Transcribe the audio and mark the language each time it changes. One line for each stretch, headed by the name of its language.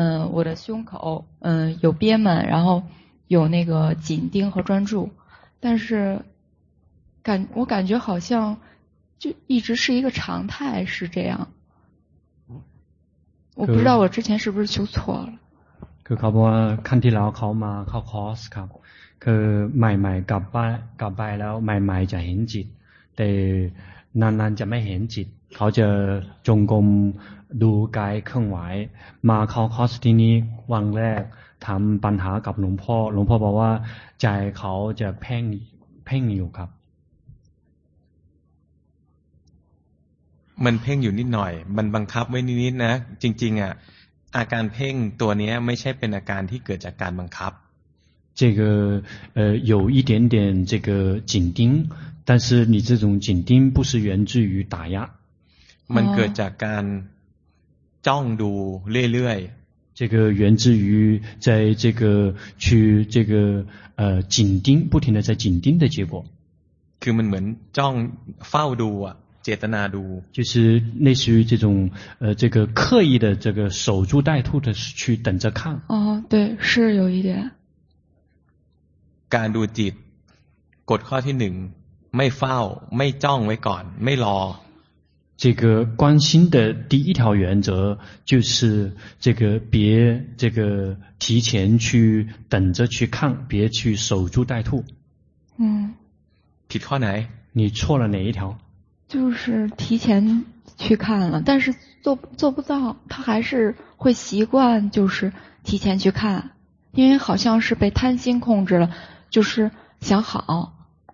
Chinese: 我的胸口有憋闷然后有那个紧盯和专注但是我感觉好像就一直是一个常态是这样我不知道我之前是不是修错了
Thai: คือเขาบอกว่าครั้งที่แล้วเขามาเข้าคอร์สครับคือใหม่ๆกลับไปแล้วใหม่ๆจะเห็นจิตแต่นานๆจะไม่เห็นจิตเขาจะจงกรมดูกายเคลื่อนไหวมาเข้าคอร์สที่นี้วันแรกถามปัญหากับหลวงพ่อหลวงพ่อบอกว่าใจเขาจะเพ่งอยู่ครับ มันเพ่งอยู่นิดหน่อยมันบังคับไว้นิดๆนะจริงๆอ่ะอาการเพ่งตัวนี้ไม่ใช่เป็นอาการที่เกิดจากการบังคับ
Chinese: 这个有一点点这个紧盯但是你这种紧盯不是源自于打压
Thai: มันเกิดจากการจ้องดูเรื่อย
Chinese: ๆ这个源自于在这个去这个紧盯不停的在紧盯的结果
Thai: คือมันเหมือนจ้องเฝ้าดูอ่ะเจตนาดู
Chinese: 就是类似于这种这个刻意的这个守株待兔的去等着看哦对是有一点
Thai: การดูจิตกฎข้อที่หนึ่งไม่เฝ้าไม่จ้องไว้ก่อนไม่รอ
Chinese: 这个观心的第一条原则就是这个别这个提前去等着去看别去守株待兔嗯提错哪你错了哪一条就是提前去看了但是做不到他还是会习惯就是提前去看因为好像是被贪心控制了就是想好